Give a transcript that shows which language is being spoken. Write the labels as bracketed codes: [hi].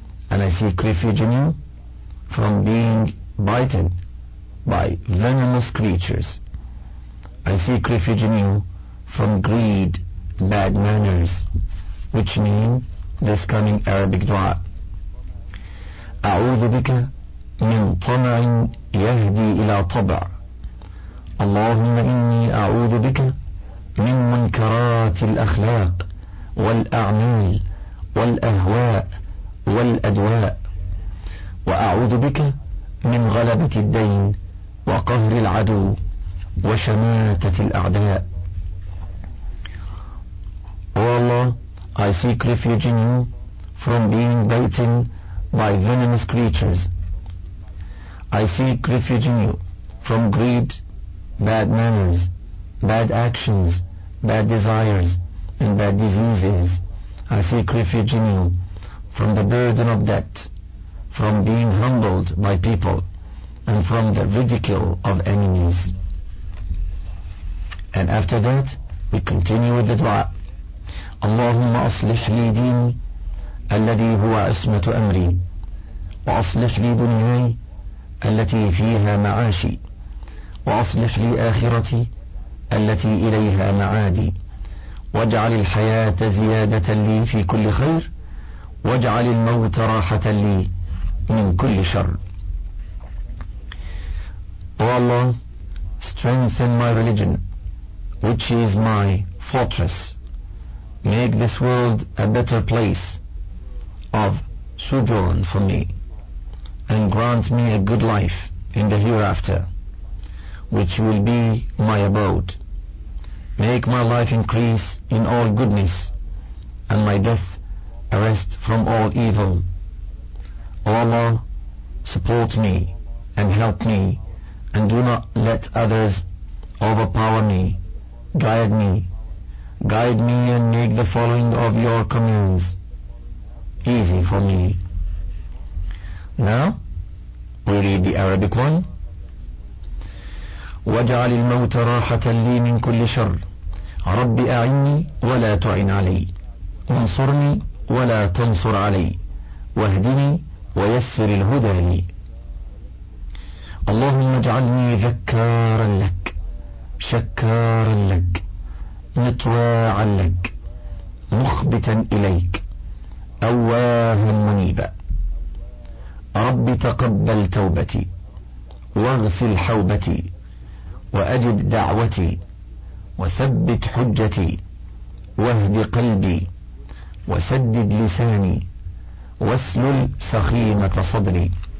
[en] And I seek refuge in you from being bitten by venomous creatures. I seek refuge in you from greed, bad manners, which mean this coming Arabic dua. [ar] أعوذ بك من طمع يهدي إلى طبع. اللهم إني أعوذ بك من منكرات الأخلاق والأعمال والأهواء والأدواء، وأعوذ بك من غلبة الدين وقهر العدو وشماتة الأعداء. [en] O Allah, I seek refuge in you from being bitten by venomous creatures. I seek refuge in you from greed, bad manners, bad actions, bad desires, and bad diseases. I seek refuge in you from the burden of debt, from being humbled by people, and from the ridicule of enemies. And after that, we continue with the dua. [ar] Allahumma aslih li dini alladhi huwa ismatu amri وأصلح لي دنياي التي فيها معاشي، وأصلح لي آخرتي التي إليها معادي، واجعل الحياة زيادة لي في كل خير، واجعل الموت راحة لي من كل شر. [en] O Allah, strengthen my religion, which is my fortress. Make this world a better place of sojourn for me, and grant me a good life in the hereafter, which will be my abode. Make my life increase in all goodness, and my death a rest from all evil. O Allah, support me and help me, and do not let others overpower me. Guide me. Guide me and make the following of your commands easy for me. Now, we read the Arabic one. [ar] وَجَعَلِ الْمَوْتَ رَاحَةً لِي مِنْ كُلِّ شَرٍّ رَبِّ أَعِنِّي وَلَا تُعِنْ عَلَيْ وَانْصُرْنِي وَلَا تَنْصُرْ عَلَيْ وَاهْدِنِي وَيَسِّرِ الْهُدَى لِي اللهم اجعلني ذكارا لك شكارا لك مطواعا لك مخبتا إليك أواها منيبا رب تقبل توبتي واغسل حوبتي وأجب دعوتي وثبت حجتي واهد قلبي وسدد لساني واسلل سخيمة صدري